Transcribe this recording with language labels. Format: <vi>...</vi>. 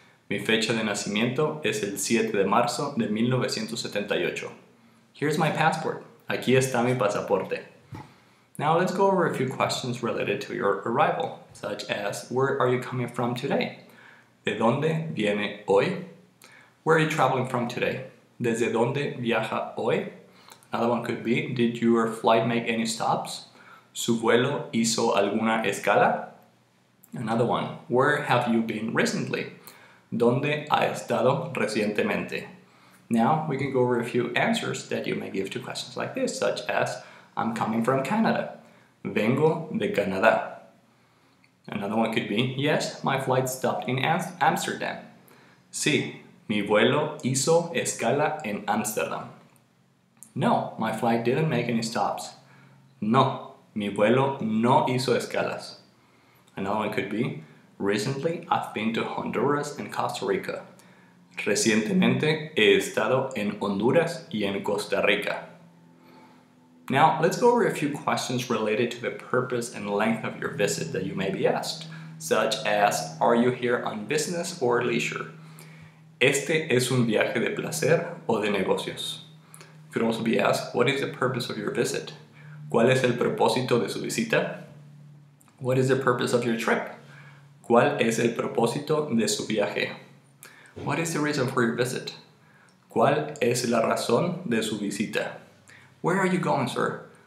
<es>Mi fecha de nacimiento es el 7 de marzo de 1978.</es> <en>Here's my passport.</en> <es>Aquí está mi pasaporte.</es> <en>Now let's go over a few questions related to your arrival, such as where are you coming from today?</en> <es>¿De dónde viene hoy?</es> <en>Where are you traveling from today?</en> <es>¿Desde dónde viaja hoy?</es> <en>Another one could be, did your flight make any stops?</en> <es>¿Su vuelo hizo alguna escala?</es> <en>Another one, where have you been recently?</en> <es>¿Dónde ha estado recientemente?</es> <en>Now we can go over a few answers that you may give to questions like this, such as, I'm coming from Canada.</en> <es>Vengo de Canadá.</es> <en>Another one could be, yes, my flight stopped in Amsterdam.</en> <es>Sí, mi vuelo hizo escala en Amsterdam.</es> <en>No, my flight didn't make any stops.</en> <es>No, mi vuelo no hizo escalas.</es> <en>Another one could be, recently I've been to Honduras and Costa Rica.</en> <es>Recientemente he estado en Honduras y en Costa Rica.</es> <en>Now, let's go over a few questions related to the purpose and length of your visit that you may be asked, such as, are you here on business or leisure?</en> <es>¿Este es un viaje de placer o de negocios?</es> <en>You could also be asked, what is the purpose of your visit?</en> <es>¿Cuál es el propósito de su visita?</es> <en>What is the purpose of your trip?</en> <es>¿Cuál es el propósito de su viaje?</es> <en>What is the reason for your visit?</en> <es>¿Cuál es la razón de su visita?</es> <en>Where are you going, sir?</en>